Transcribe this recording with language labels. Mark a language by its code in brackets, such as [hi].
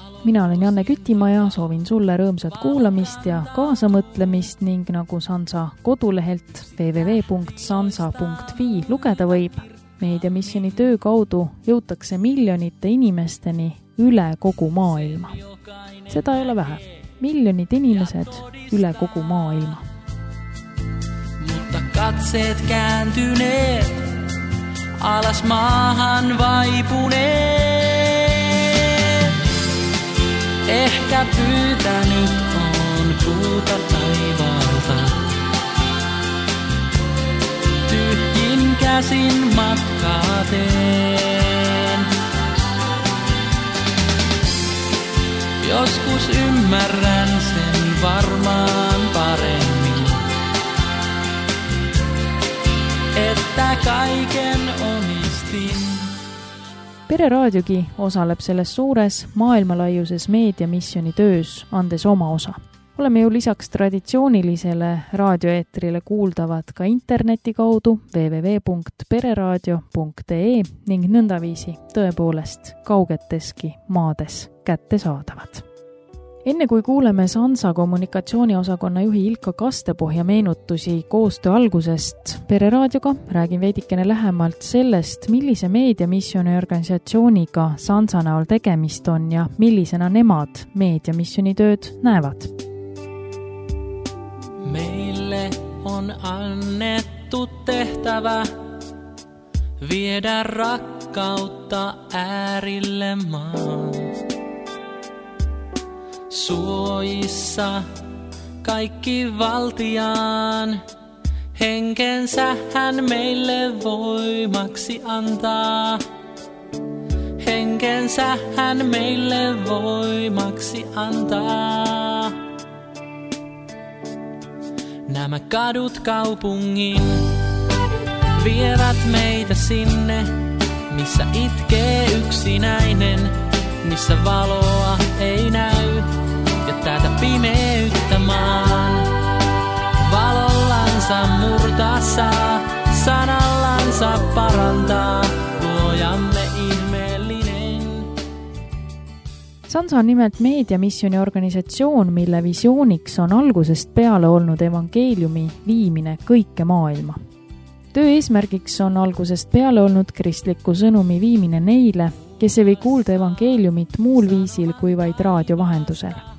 [et] Mina olen Janne Kütimaja, soovin sulle rõõmsat kuulamist ja kaasamõtlemist ning nagu Sansa kodulehelt www.sansa.fi lugeda võib, meediamissioni töö kaudu jõutakse miljonite inimesteni üle kogu maailma. Seda ei ole vähe. Miljonid inimesed üle kogu maailma. [fi] Mutta katseet kääntyneet, alas maahan vaipuneet. Ehkä pyytänyt on kuuta taivaalta. Tyhjin käsin matkaa teen. Joskus ymmärrän sen varmaan paremmin, että kaiken omistin. [et] Pereraadiogi osaleb selles suures maailmalaiuses meediamissiooni töös andes oma osa. Oleme ju lisaks traditsioonilisele raadioeetrile kuuldavad ka interneti kaudu www.pereraadio.ee ning nõndaviisi tõepoolest kaugeteski maades kätte saadavad. Enne kui kuuleme Sansa kommunikatsiooniosakonna juhi Ilka Kastepohja meenutusi koostöö algusest Pereraadioga, räägin veidikene lähemalt sellest, millise meediamissiooni organisatsiooniga Sansa näol tegemist on ja millisena nemad meediamissiooni tööd näevad. [fi] Meille on annettu tehtävä viedä rakkautta äärille maan. Suojissa kaikki valtiaan, Henkensä hän meille voimaksi antaa. Henkensä hän meille voimaksi antaa. Nämä kadut kaupungin vievät meitä sinne, missä itkee yksinäinen, missä valoa ei näy ja tätä pimeyttä maan. Valollansa murtaa saa, sanallansa parantaa, luojamme ihmeellinen. [et] Sansa on nimelt meediamissiooni organisatsioon, mille visiooniks on algusest peale olnud evangeeliumi viimine kõike maailma. Töö eesmärgiks on algusest peale olnud kristliku sõnumi viimine neile, kes ei või kuulda evangeeliumit muul viisil kui vaid raadiovahendusel.